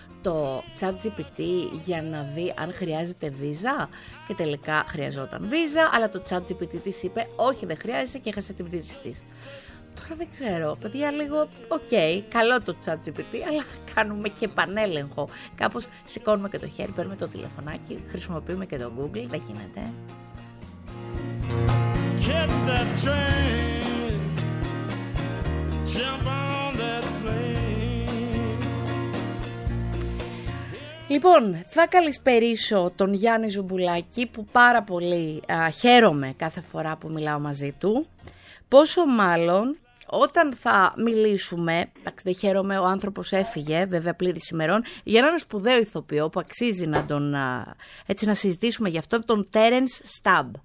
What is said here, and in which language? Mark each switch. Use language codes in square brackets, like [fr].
[el] το ChatGPT για να δει αν χρειάζεται βίζα και τελικά χρειαζόταν βίζα, αλλά το ChatGPT της είπε όχι, δεν χρειάζεται και έχασε την πτήση της. Τώρα δεν ξέρω, παιδιά, λίγο, okay, καλό το ChatGPT, αλλά κάνουμε και επανέλεγχο. Κάπως σηκώνουμε και το χέρι, παίρνουμε το τηλεφωνάκι, χρησιμοποιούμε και το Google, δεν γίνεται. [en] Catch that train, jump on that plane. [el] Λοιπόν, θα καλησπερίσω τον Γιάννη Ζουμπουλάκη, που πάρα πολύ χαίρομαι κάθε φορά που μιλάω μαζί του. Πόσο μάλλον όταν θα μιλήσουμε, εντάξει, δεν χαίρομαι, ο άνθρωπος έφυγε, βέβαια πλήρης ημερών, για έναν σπουδαίο ηθοποιό που αξίζει να τον, έτσι να συζητήσουμε γι' αυτόν, τον Terence Stubb.